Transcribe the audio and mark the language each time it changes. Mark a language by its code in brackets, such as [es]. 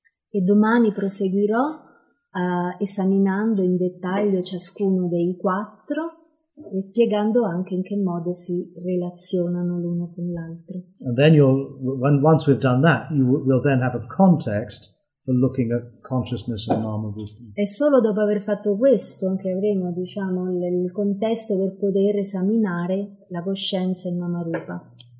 [it] E domani proseguirò esaminando in dettaglio ciascuno dei quattro e spiegando anche in che modo si relazionano l'uno con l'altro. [en] And then once we've done that, we'll then have a context for looking at consciousness and non-movement. [it] E solo dopo aver fatto questo che avremo, diciamo, il contesto per poter esaminare la coscienza e Namarupa.